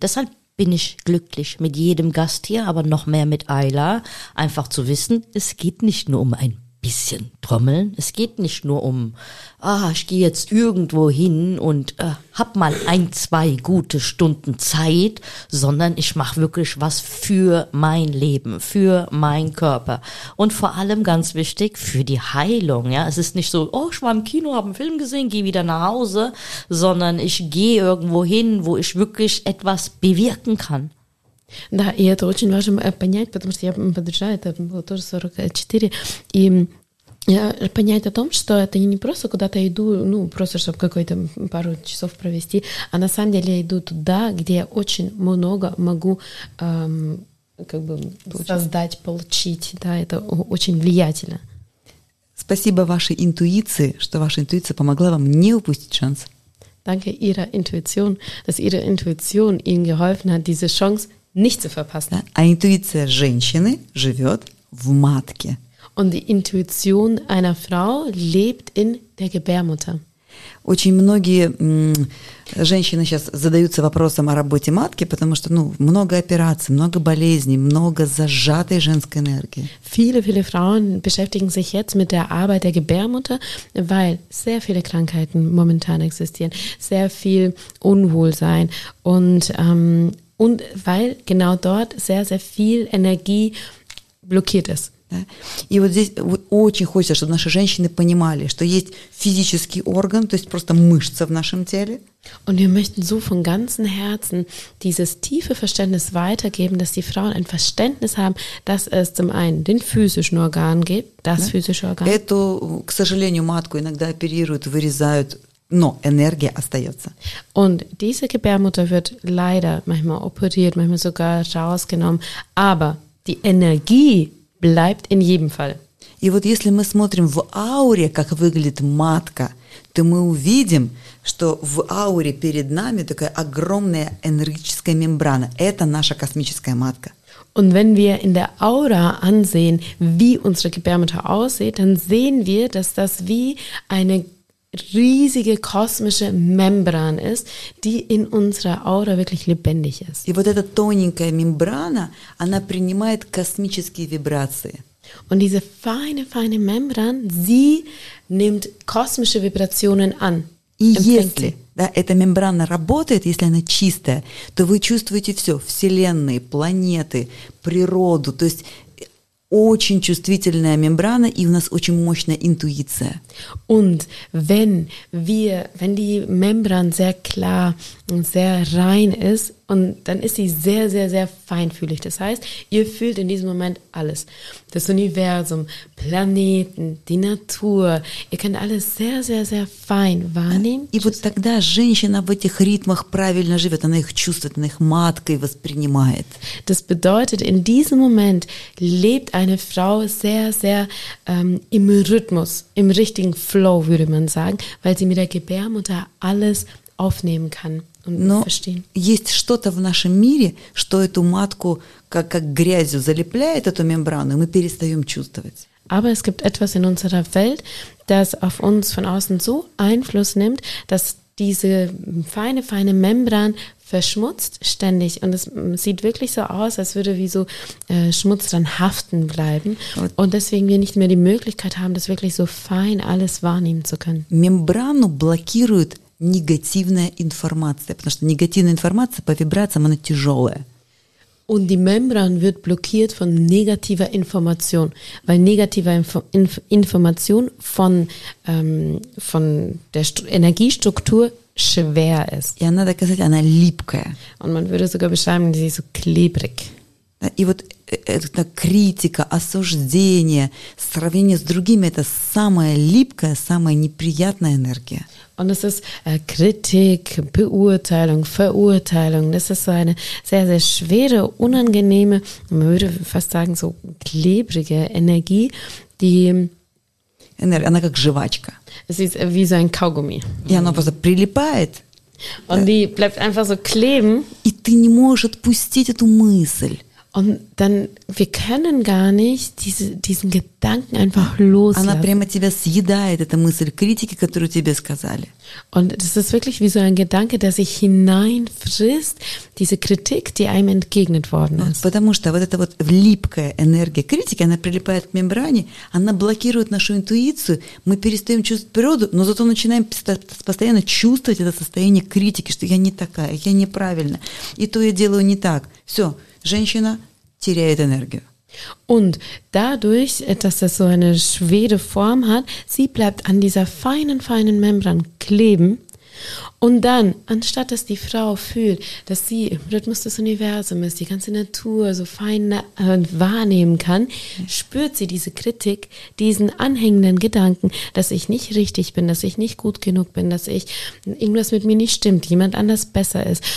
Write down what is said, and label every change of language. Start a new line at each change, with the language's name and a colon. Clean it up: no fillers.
German: Deshalb bin ich glücklich mit jedem Gast hier, aber noch mehr mit Ayla, einfach zu wissen, es geht nicht nur um ein bisschen Trommeln, es geht nicht nur um, ah, ich gehe jetzt irgendwo hin und hab mal ein, zwei gute Stunden Zeit, sondern ich mache wirklich was für mein Leben, für meinen Körper und vor allem ganz wichtig, für die Heilung. Ja, es ist nicht so, oh, ich war im Kino, habe einen Film gesehen, gehe wieder nach Hause, sondern ich gehe irgendwo hin, wo ich wirklich etwas bewirken kann.
Russian: Да, и это очень важно понять, потому что я подружаю, это было тоже 44, и понять о том, что это я не просто куда-то иду, ну, просто чтобы какой-то пару часов провести, а на самом деле я иду туда, где я очень много могу как бы создать, получить, да, это очень влиятельно. Спасибо вашей интуиции, что ваша интуиция помогла вам не упустить шанс.
German: Danke Ihrer Intuition, dass Ihre Intuition Ihnen geholfen hat, diese Chance nicht zu verpassen.
Russian: А интуиция женщины живет в матке.
German: Und die Intuition einer Frau lebt in der Gebärmutter.
Russian: Очень многие женщины сейчас задаются вопросом о работе матки, потому что, ну, много операций, много болезней, много зажатой женской энергии.
German: Viele, viele Frauen beschäftigen sich jetzt mit der Arbeit der Gebärmutter, weil sehr viele Krankheiten momentan existieren, sehr viel Unwohlsein und und weil genau dort sehr, sehr viel Energie blockiert ist.
Russian: И вот здесь очень хочется, чтобы наши женщины понимали, что есть физический орган, то есть просто мышца в нашем теле.
German: Und wir möchten so von ganzem Herzen dieses tiefe Verständnis weitergeben, dass die Frauen ein Verständnis haben, dass es zum einen den physischen Organ gibt, das physische Organ.
Russian: Эту, к сожалению, матку иногда оперируют, вырезают, но энергия остается.
German: Und diese Gebärmutter wird leider manchmal operiert, manchmal sogar rausgenommen, aber die Energie bleibt in jedem Fall.
Russian: И вот если мы смотрим в ауре, как выглядит матка, то мы увидим, что в ауре перед нами такая огромная энергетическая мембрана. Это наша космическая матка.
German: Und wenn wir in der Aura ansehen, wie unsere Gebärmutter aussieht, dann sehen wir, dass das wie eine riesige kosmische Membran ist, die in unserer Aura wirklich lebendig ist.
Russian: И вот эта тоненькая мембрана, она принимает космические вибрации.
German: Und diese feine, feine Membran, sie nimmt kosmische Vibrationen an.
Russian: И если, да, эта мембрана работает, если она чистая, то вы чувствуете все: вселенные, планеты, природу, то есть очень чувствительная мембрана, и у нас очень мощная интуиция.
German: Und wenn wir, wenn die Membran sehr klar und sehr rein ist, und dann ist sie sehr, sehr, sehr feinfühlig. Das heißt, ihr fühlt in diesem Moment alles. Das Universum, Planeten, die Natur. Ihr könnt alles sehr, sehr, sehr fein wahrnehmen.
Russian: И вот тогда женщина в этих ритмах правильно живет. Она их чувствует, она их маткой воспринимает.
German: Das bedeutet, in diesem Moment lebt eine Frau sehr, sehr im Rhythmus, im richtigen Flow, würde man sagen, weil sie mit der Gebärmutter alles aufnehmen kann.
Russian: Но
German: verstehen.
Russian: Есть что-то в нашем мире, что эту матку как грязью залепляет эту мембрану, и мы перестаем чувствовать.
German: Aber es gibt etwas in unserer Welt, das auf uns von außen so Einfluss nimmt, dass diese feine, feine Membran verschmutzt ständig. Und es sieht wirklich so aus, als würde wie so Schmutz dann haften bleiben. Und deswegen wir nicht mehr die Möglichkeit haben, das wirklich so fein alles wahrnehmen zu können.
Russian: Мембрану блокирует негативная информация, потому что негативная информация по вибрациям, она тяжелая.
German: Und die Membran wird blockiert von negativer Information, weil negative Information von der Energiestruktur schwer ist.
Russian: И она, так сказать, она липкая.
German: Und man würde sogar beschreiben, sie ist so klebrig.
Russian: И вот эта критика, осуждение, сравнение с другими – это самая липкая, самая неприятная энергия.
German: Und es ist Kritik, Beurteilung, Verurteilung. Das ist so eine sehr, sehr schwere, unangenehme, man würde fast sagen so klebrige Energie, die
Russian: Энергия, она как жвачка.
German: Es ist wie so ein Kaugummi.
Russian: И она просто прилипает.
German: Und die bleibt einfach so kleben.
Russian: И ты не можешь отпустить эту мысль.
German: Und dann, wir können gar nicht diesen Gedanken einfach loslassen.
Russian: Она прямо тебя съедает, эта мысль критики, которую тебе сказали.
German: Und das ist wirklich wie so ein Gedanke, der sich hineinfrisst, diese Kritik, die einem entgegnet worden ist.
Russian: Потому что вот эта вот липкая энергия критики, она прилипает к мембране, она блокирует нашу интуицию, мы перестаем чувствовать природу, но зато начинаем постоянно чувствовать это состояние критики, что я не такая, я неправильна, и то я делаю не так. Все. Женщина теряет энергию.
German: Und dadurch, dass das so eine schwere Form hat, sie bleibt an dieser feinen, feinen Membran kleben. Und dann, anstatt dass die Frau fühlt, dass sie im Rhythmus des Universums die ganze Natur so fein wahrnehmen kann, spürt sie diese Kritik, diesen anhängenden Gedanken, dass ich nicht richtig bin, dass ich nicht gut genug bin, dass ich irgendwas mit mir nicht stimmt, jemand anders besser ist.